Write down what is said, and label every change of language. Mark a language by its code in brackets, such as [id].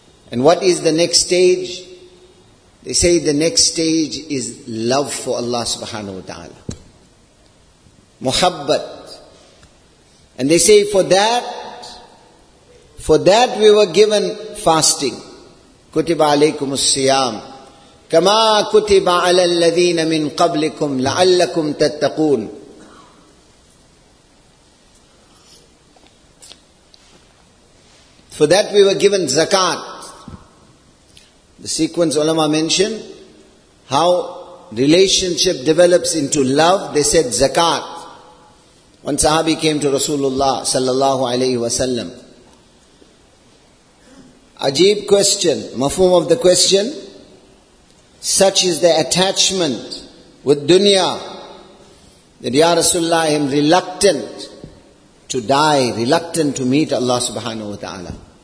[en] And what is the next stage? They say the next stage is love for Allah subhanahu wa ta'ala. Muhabbat. And they say for that we were given fasting. [ar] Kutiba alaykum as-siyam. كَمَا كُتِبَ عَلَى الَّذِينَ مِنْ قَبْلِكُمْ لَعَلَّكُمْ تَتَّقُونَ [en] For that we were given zakat. The sequence ulama mentioned, how relationship develops into love, they said zakat. One sahabi came to Rasulullah sallallahu alayhi wa sallam. Ajeeb question, mafhum of the question, such is the attachment with dunya that Ya Rasulullah, I am reluctant to die, reluctant to meet Allah subhanahu wa ta'ala.